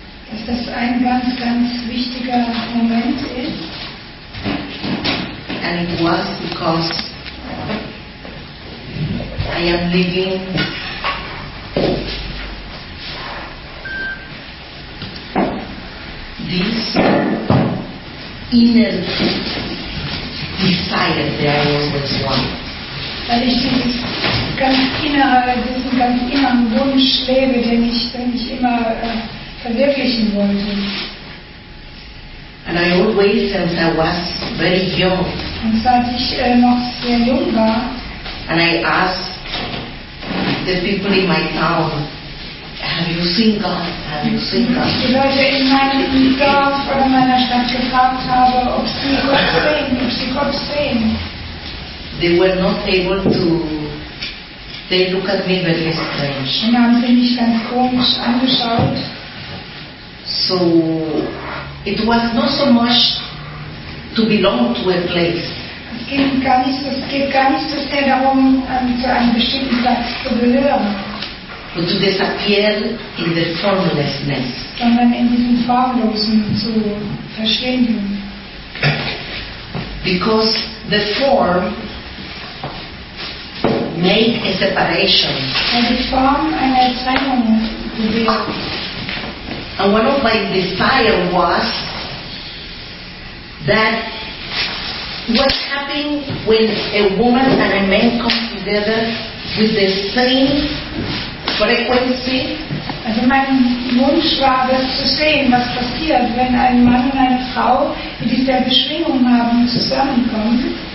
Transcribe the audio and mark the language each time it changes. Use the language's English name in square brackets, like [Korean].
[German] Dass das ein ganz, ganz wichtiger Moment ist. [English] And it was because I am living this inner desire that I always want. [German] Weil ich dieses ganz inneren Wunsch lebe, den ich denn verwirklichen wollte. [English] And I always, since I was very young, [German] und seit ich noch sehr jung war, [English] and I asked the people in my town, have you seen God? Have you seen God? [German] Die Leute in meinem Dorf oder meiner Stadt gefragt habe, ob sie Gott sehen, ob sie Gott sehen. [English] They were not able to. They look at me very strange. [German] Und haben sie mich ganz komisch angeschaut. [English] So it was not so much to belong to a place. [German] Es geht gar nicht so sehr darum, zu einem bestimmten Platz zu gehören. [English] But to disappear in the formlessness. [German] Sondern in diesem Formlosen zu verschwinden. [English] Because the form make a separation. [German] Weil die Form eine Trennung bewirkt. [English] And one of my desires was that what happens when a woman and a man come together with the same frequency? [German] Also mein Wunsch war, das zu sehen, was passiert, wenn ein Mann und eine Frau in dieser Beschwingung haben, zusammenkommen.